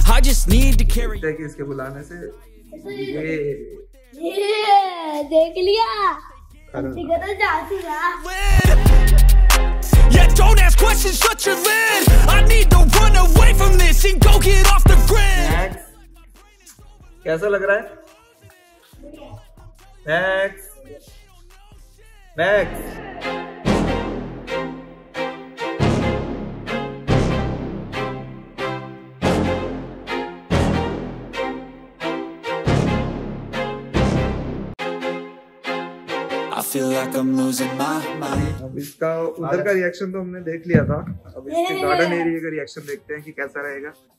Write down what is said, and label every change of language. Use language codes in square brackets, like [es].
[en] I just need to carry. [hi] देख लिया इसके बुलाने से। ये देख लिया। ठीक है तो जाती है। [en] Yeah, don't ask questions, shut your lid. I need to run away from this and go get off the grid. [hi] Max, कैसा लग रहा है? Max, Max. [en] Feel like I'm losing my mind. [hi] अब इसका उधर का रिएक्शन तो हमने देख लिया था, अब इसके गार्डन एरिया का रिएक्शन देखते हैं कि कैसा रहेगा।